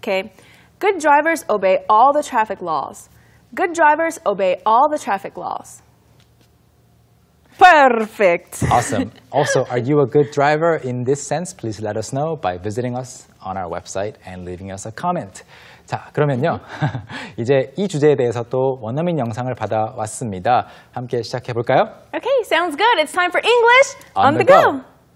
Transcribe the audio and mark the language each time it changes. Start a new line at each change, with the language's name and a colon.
English: Okay, good drivers obey all the traffic laws. Good drivers obey all the traffic laws. Perfect. Awesome. Also, are you a good driver in this sense? Please let us know by visiting us on our website and leaving us a comment.
Korean: 자, 그러면요. 이제 이 주제에 대해서 또 원어민 영상을 받아왔습니다. 함께 시작해 볼까요?
English: Okay, sounds good. It's time for English on the go.